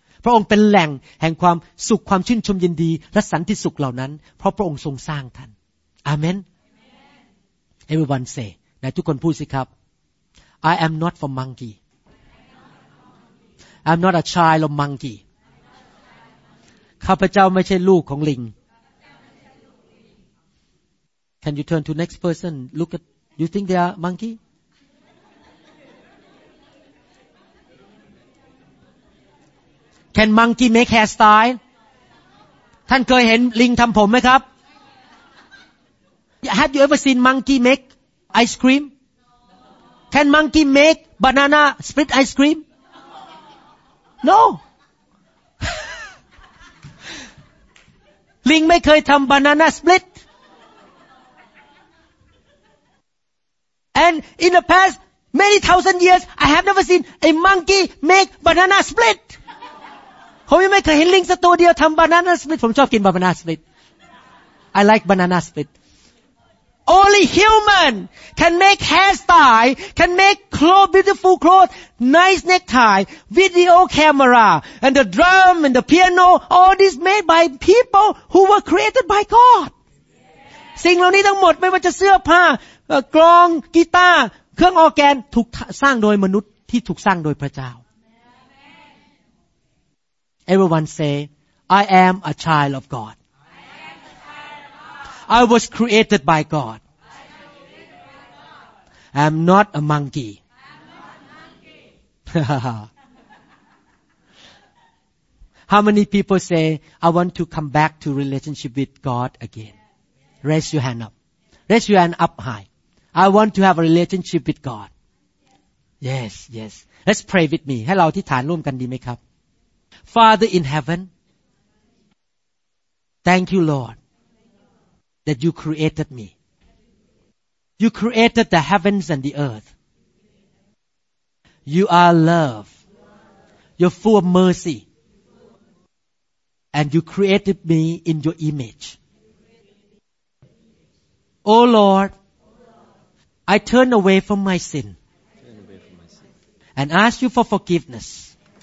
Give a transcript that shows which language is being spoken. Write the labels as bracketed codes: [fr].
[th] พระองค์เป็นแหล่งแห่งความสุขความชื่นชมยินดีและสันติสุขเหล่านั้นเพราะพระองค์ทรงสร้างท่านอาเมน Everyone say นะทุกคนพูดสิครับ [en] I am not for monkey. I'm not a child of monkey. [th] ข้าพเจ้าไม่ใช่ลูกของลิง [en] Can you turn to next person? Look at, you think they are monkey? Can monkey make hairstyle? [th] ท่านเคยเห็นลิงทำผมไหมครับ [en] Have you ever seen monkey make ice cream? Can monkey make banana split ice cream? No. [th] ลิงไม่เคยทำ banana split. [en] And in the past many thousand years, I have never seen a monkey make banana split. [th] ผมยังไม่เคยเห็นลิงสักตัวเดียวทำบานานาสปิตผมชอบกินบานานาสปิต [en] I like banana split Only human can make hairstyle can make clothes beautiful clothes nice necktie video camera and the drum and the piano all this made by people who were created by God [th] สิ่งเหล่านี้ทั้งหมดไม่ว่าจะเสื้อผ้ากลองกีตาร์เครื่องออร์แกนถูกสร้างโดยมนุษย์ที่ถูกสร้างโดยพระเจ้า [en] Everyone say, I am a child of God. I was created by God. I am not a monkey. How many people say, I want to come back to relationship with God again? Raise your hand up. Raise your hand up high. I want to have a relationship with God. Yes, yes. Let's pray with me. [th] ให้เราอธิษฐานร่วมกันดีไหมครับ [en] Father in heaven, thank you, Lord, that you created me. You created the heavens and the earth. You are love. You're full of mercy. And you created me in your image. Oh, Lord, I turn away from my sin and ask you for forgiveness.